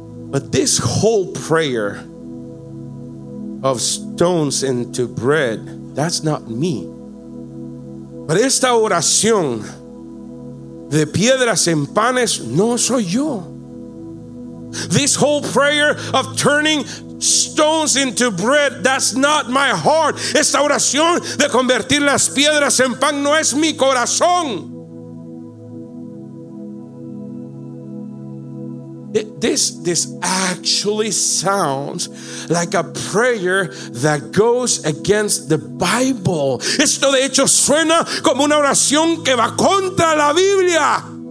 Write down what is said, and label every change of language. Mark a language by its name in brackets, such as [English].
[English] But this whole prayer of stones into bread, that's not me. [Spanish] But esta oración de piedras en panes, no soy yo. [English] This whole prayer of turning stones into bread, that's not my heart. [Spanish] Esta oración de convertir las piedras en pan, no es mi corazón. [English] This actually sounds like a prayer that goes against the Bible. [Spanish] Esto de hecho suena como una oración que va contra la Biblia.